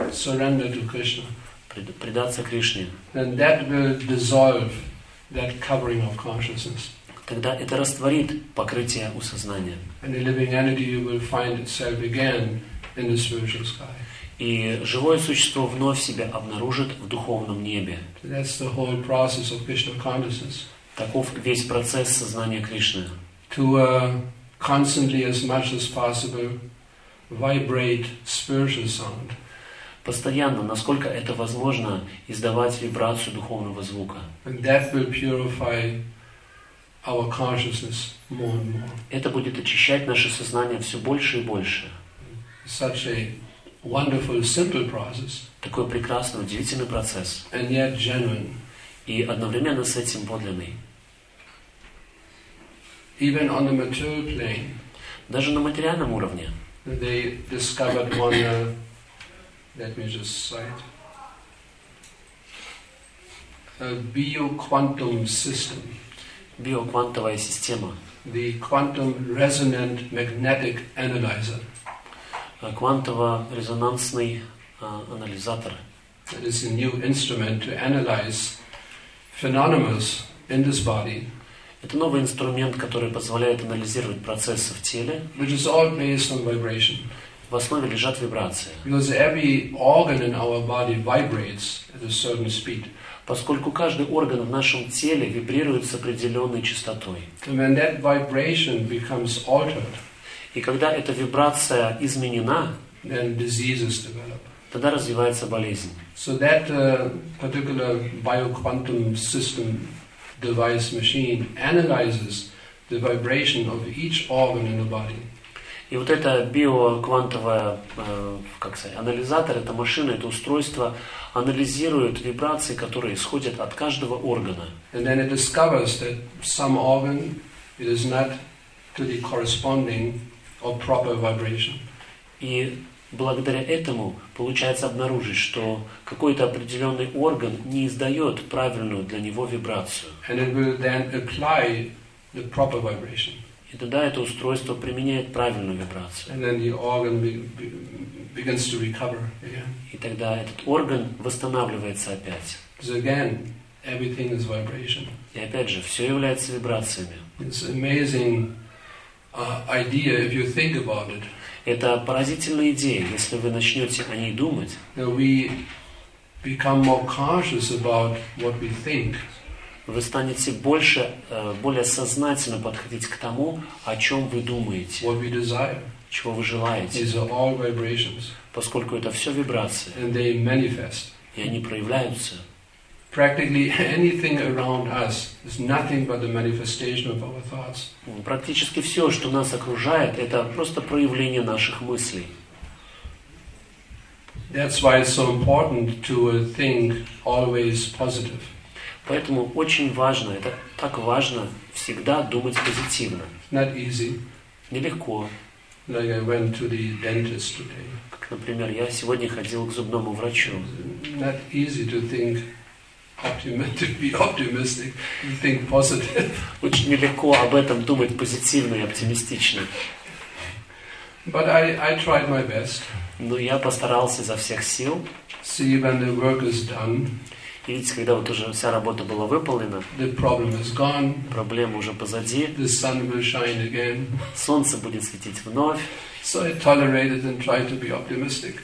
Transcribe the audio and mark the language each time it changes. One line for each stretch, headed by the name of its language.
English: surrender to Krishna,
Russian: предаться Кришне,
English: then that will dissolve that covering of consciousness.
Russian: Тогда это растворит покрытие у сознания.
English: And the living entity will find itself again in the spiritual sky.
Russian: И живое существо вновь себя обнаружит в духовном небе.
English: That's the whole process of Krishna consciousness.
Russian: Таков весь процесс сознания Кришны.
English: To constantly as much as possible vibrate spiritual sound.
Russian: Постоянно, насколько это возможно, издавать вибрацию духовного звука.
English: And that will purify our consciousness more and more.
Russian: Это будет очищать наше сознание все больше и больше.
English: Such a wonderful, simple process.
Russian: Такой прекрасный, удивительный процесс.
English: And yet genuine.
Russian: И одновременно с этим подлинный.
English: Even on the material plane.
Russian: Даже на материальном уровне.
English: They discovered one. Let me just cite a bioquantum system.
Russian: Биоквантовая система.
English: The quantum resonant magnetic analyzer.
Russian: Квантово-резонансный анализатор.
English: It is a new instrument to analyze phenomena in this body.
Russian: Это новый инструмент, который позволяет анализировать процессы в теле.
English: Which is all based on vibration.
Russian: В основе лежат вибрации.
English: Because every organ in our body vibrates at a certain speed.
Russian: Поскольку каждый орган в нашем теле вибрирует с определенной частотой.
English: And when that vibration becomes altered,
Russian: и когда эта вибрация изменена,
English: then diseases develop.
Russian: Тогда развивается болезнь.
English: So that particular bioquantum system device machine analyzes the vibration of each organ in the body.
Russian: И вот это биоквантовое, как сказать, анализатор, это машина, это устройство анализирует вибрации, которые исходят от каждого органа.
English: And then it discovers that some organ is not to the corresponding or proper vibration.
Russian: И благодаря этому получается обнаружить, что какой-то определенный орган не издает правильную для него вибрацию.
English: And it will then apply the proper vibration.
Russian: И тогда это устройство применяет правильную вибрацию.
English: And then the organ begins to recover again.
Russian: И тогда этот орган восстанавливается опять.
English: So again, everything is vibration.
Russian: И опять же, все является вибрациями.
English: It's an amazing idea if you think about it.
Russian: Это поразительная идея, если вы начнете о ней думать.
English: Now we become more conscious about what we think.
Russian: Вы станете больше, более сознательно подходить к тому, о чем вы думаете.
English: What we desire,
Russian: чего вы желаете.
English: These are all vibrations,
Russian: поскольку это все вибрации.
English: And they manifest.
Russian: И они проявляются.
English: Practically anything around us is nothing but the manifestation of our thoughts.
Russian: Практически все, что нас окружает, это просто проявление наших мыслей.
English: That's why it's so important to think always positive.
Russian: Поэтому очень важно, это так важно, всегда думать позитивно.
English: Not easy.
Russian: Нелегко.
English: Like I went to the dentist today.
Russian: Как, например, я сегодня ходил к зубному врачу.
English: Not easy to think to be optimistic, to think positive.
Russian: Очень нелегко об этом думать позитивно и оптимистично.
English: But I tried my best.
Russian: Но я постарался изо всех сил.
English: See when the work is done.
Russian: И видите, когда вот уже вся работа была выполнена,
English: the problem is gone.
Russian: Проблема уже позади,
English: the sun will shine again.
Russian: Солнце будет светить вновь.
English: So I tolerated and tried to be optimistic.